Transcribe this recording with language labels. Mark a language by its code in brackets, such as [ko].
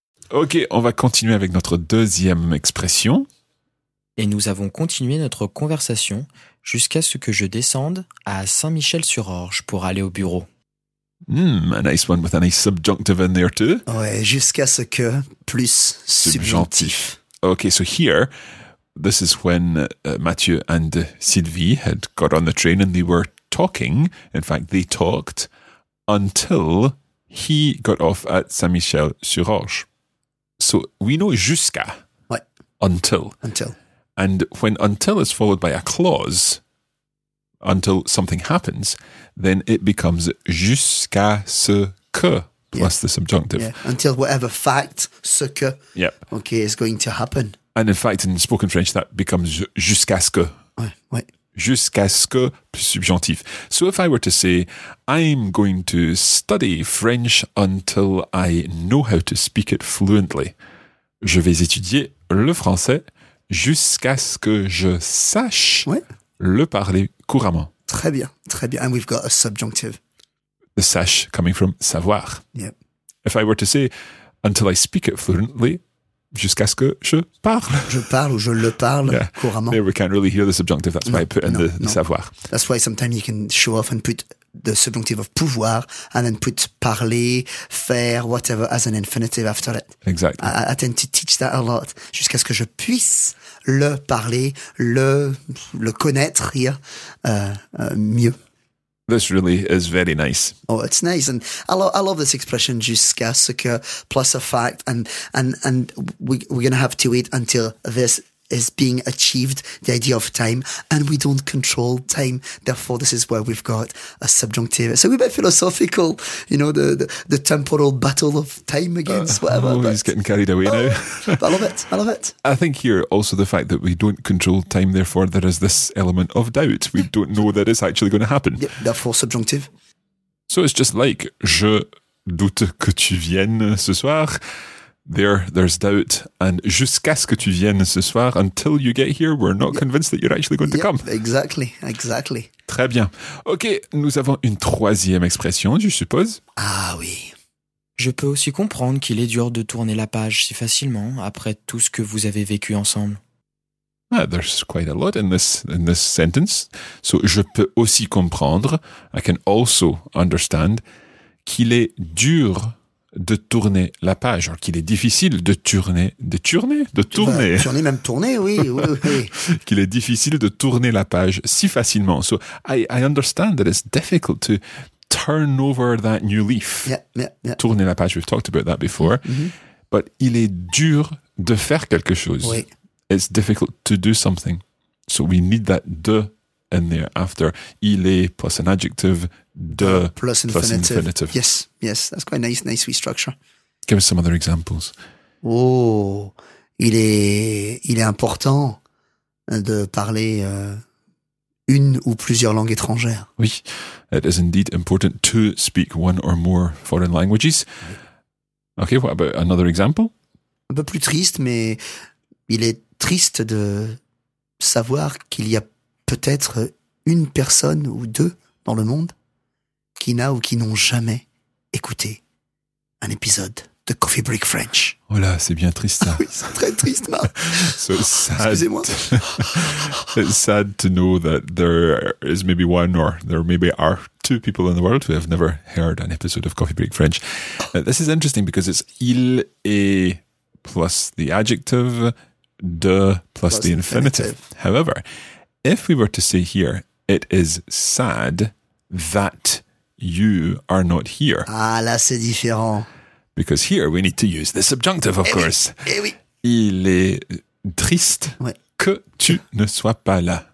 [fr] Okay, on va continuer avec notre deuxième expression. Et nous avons continué notre conversation jusqu'à ce que je descende à Saint-Michel-sur-Orge pour aller au bureau. [en] A nice one with a nice subjunctive in there too. [fr] Ouais, jusqu'à ce que, plus subjonctif. [en] Okay, so here, this is when Mathieu and Sylvie had got on the train and they were talking. In fact, they talked until he got off at Saint-Michel-sur-Orge. So we know jusqu'à. What? Until. Until. And when until is followed by a clause, until something happens, then it becomes jusqu'à ce que plus the subjunctive. Yeah. Until whatever fact, ce que, okay, is going to happen. And in fact, in spoken French, that becomes jusqu'à ce que. [fr] Ouais. Jusqu'à ce que, subjonctif. [en] So if I were to say, I'm going to study French until I know how to speak it fluently. [fr] Je vais étudier le français jusqu'à ce que je sache le parler couramment. Très bien, très bien. [en] And we've got a subjunctive. The sache coming from savoir. Yep. If I were to say, until I speak it fluently, [fr] jusqu'à ce que je parle. Je parle ou je le parle couramment. [en] There we can't really hear the subjunctive. That's why I put in the savoir. That's why sometimes you can show off and put the subjonctive of pouvoir, and then put parler, faire, whatever, as an infinitive after it. Exactly. I tend to teach that a lot. [fr] Jusqu'à ce que je puisse le parler, le connaître here, mieux. [en] This really is very nice. Oh, it's nice. And I love this expression, jusqu'à ce que, plus a fact. And we're going to have to wait until this is being achieved, the idea of time, and we don't control time. Therefore, this is where we've got a subjunctive. So we're a bit philosophical, you know, the temporal battle of time against whatever. Oh, he's getting carried away now. But I love it. I love it. I think here also the fact that we don't control time, therefore there is this element of doubt. We don't know that it's actually going to happen. Yep, therefore, subjunctive. So it's just like, [fr] je doute que tu viennes ce soir. [en] There's doubt, and [fr] jusqu'à ce que tu viennes ce soir, [en] until you get here, we're not convinced that you're actually going to come. Exactly, exactly. [fr] Très bien. Ok, nous avons une troisième expression, je suppose. Ah oui. Je peux aussi comprendre qu'il est dur de tourner la page si facilement après tout ce que vous avez vécu ensemble. [en] Ah, there's quite a lot in this sentence. [fr] So, je peux aussi comprendre, [en] I can also understand, [fr] qu'il est dur de tourner la page, alors qu'il est difficile de tourner. Tourner, même tourner, oui. Qu'il est difficile de tourner la page si facilement. [en] So, I understand that it's difficult to turn over that new leaf. Yeah. [fr] Tourner la page, [en] we've talked about that before. Mm-hmm. But [fr] il est dur de faire quelque chose. Oui. [en] It's difficult to do something. So we need that de in there after. Il est plus an adjective. De plus infinitive. Yes, that's quite a nice sweet structure. Give us some other examples. [fr] Oh, il est important de parler une ou plusieurs langues étrangères. Oui, [en] it is indeed important to speak one or more foreign languages. Okay, what about another example? [fr] Un peu plus triste, mais il est triste de savoir qu'il y a peut-être une personne ou deux dans le monde qui n'a ou qui n'ont jamais écouté un épisode de Coffee Break French. Oh là, c'est bien triste ça. Oui, c'est très triste, Marc. [en] So sad. [fr] Excusez-moi. [en] It's sad to know that there is maybe one or there maybe are two people in the world who have never heard an episode of Coffee Break French. This is interesting because it's il et plus the adjective, de plus the infinitive. However, if we were to say here, it is sad that you are not here. [fr] Ah, là, c'est différent. [en] Because here, we need to use the subjunctive, of course. [fr] Eh oui. Il est triste que tu ne sois pas là.